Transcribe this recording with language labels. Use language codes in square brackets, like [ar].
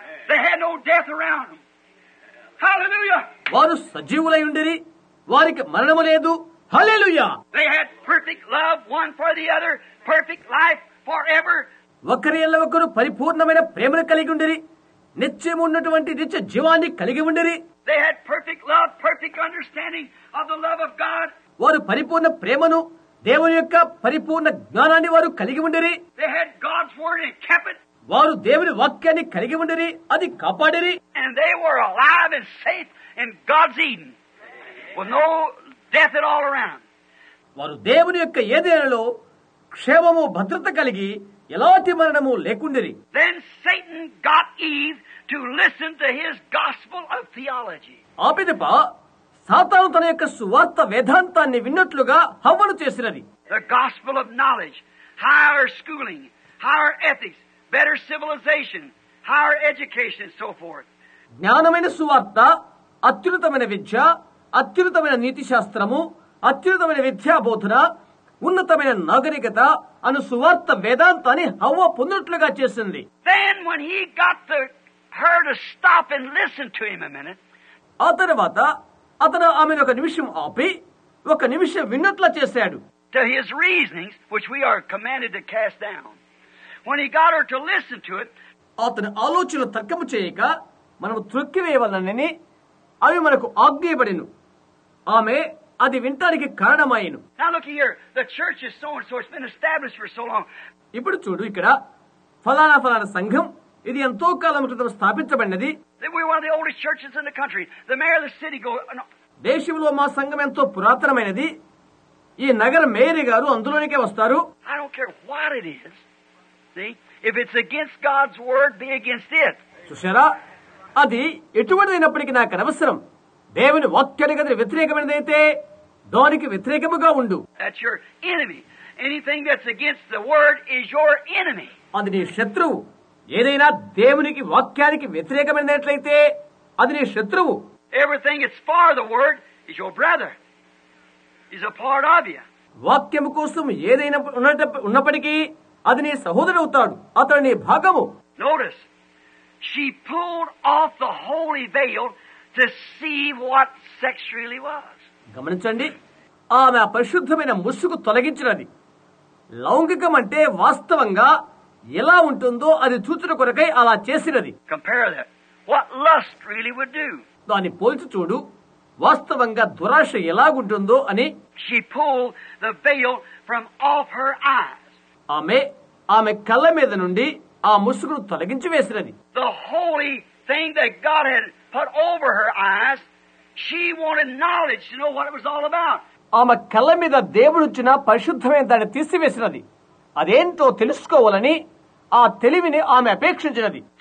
[en] They had no death around them. Hallelujah. [te] వారు సజీవులై ఉండిరి, వారికి మరణము లేదు. Hallelujah. [en] They had perfect love one for the other, perfect life forever. [te] ఒకరి ఎల్లవకరు పరిపూర్ణమైన ప్రేమను కలిగి ఉండిరి, నిత్యము ఉన్నటువంటి నిత్య జీవాన్ని కలిగి ఉండిరి. [en] They had perfect love, perfect understanding of the love of God. [te] వారు పరిపూర్ణ ప్రేమను, దేవుని యొక్క పరిపూర్ణ జ్ఞానాన్ని వారు కలిగి ఉండిరి. [en] They had God's word and kept it. [te] వారు దేవుని వాక్యాన్ని కలిగి ఉండిరి, అది కాపాడిరి. [en] And they were alive and safe in God's Eden. With no death at all around. [te] వారు దేవుని యొక్క ఏదేనలో క్షేమము, భద్రత కలిగి ఎలాంటి మరణము లేకుండిరి. [en] Then Satan got Eve to listen to his gospel of theology. [te] ఆపిదప సాతాను తన యొక్క సువార్త వేదాంతాన్ని విన్నట్లుగా హవ్వను చేసినది. [en] The gospel of knowledge, higher schooling, higher ethics, better civilization, higher education and so forth. [te] జ్ఞానమైన సువార్త, అత్యున్నతమైన విద్య, అత్యున్నతమైన నీతి శాస్త్రము, అత్యున్నతమైన విద్యాబోధన, ఉన్నతమైన నాగరికత అను సువార్త వేదాంతాన్ని హవ్వ పొందినట్లుగా చేసింది. [en] Then when he got the, her to stop and listen to him a minute. [te] ఆ తర్వాత అతను ఆమెను ఒక నిమిషం ఆపి ఒక నిమిషం విన్నట్లు చేశాడు. [en] To his reasonings, which we are commanded to cast down. When he got her to listen to it, [te] అతను ఆలోచన తర్కము చేయక మనము త్రొక్కివేయవలనని అవి మనకు ఆజ్ఞేయబడిను. ఆమె అది వినటానికి కారణమైను. [en] Now look here, the church is so it's been established for so long. [te] ఇప్పుడు చూడు ఇక్కడ ఫలానా ఫలానా సంఘం, ఇది ఎంతో కాలం క్రితం స్థాపించబడినది. [en] They were one of the oldest churches in the country. The mayor of the city [te] దేశంలో మా సంఘం ఎంతో పురాతనమైనది. ఈ నగర మేయర్ గారు అందులోనికే వస్తారు. [en] I don't care what it is. See, if it's against God's word, be against it. [te] చూసారా, అది ఎటువంటిదైనప్పటికీ నాకు అనవసరం. దేవుని వాక్యానికి వ్యతిరేకమైనదైతే దానికి వ్యతిరేకముగా ఉండు. [en] That's your enemy. Anything that's against the word is your enemy. [te] అది నీ శత్రువు. ఏదైనా దేవునికి వాక్యానికి వ్యతిరేకమైనట్లయితే అది నీ శత్రువు. [en] Everything is for the word is your brother. Is a part of you. [te] వాక్యం కోసం ఏదైనా ఉన్నప్పటికీ అది నీ సహోదరుడు అవుతాడు, అతడు నీ భాగము. [en] Notice, she pulled off the holy veil to see what sex really was. [te] గమనించండి, ఆమె పరిశుద్ధమైన ముసుగు తొలగించినది. లౌంగికం అంటే వాస్తవంగా ఎలా ఉంటుందో అది చూచిన కొరకై అలా చేసినది. [en] Compare that. What lust really would do. [te] దాన్ని పోల్చి చూడు, వాస్తవంగా దురాశ ఎలాగుంటుందో అని. [en] She pulled the veil from off her eyes. [te] ఆమె కళ్ళ మీద నుండి ఆ ముసుగును తొలగించి వేసినది. [en] The holy thing that God had put over her eyes, she wanted knowledge to know what it was all about. [te] ఆమె కళ్ళ మీద దేవుడుచ్చిన పరిశుద్ధమైన దాన్ని తీసివేసినది. అదేంటో తెలుసుకోవాలని ఆ తెలివిని ఆమె అపేక్షించినది.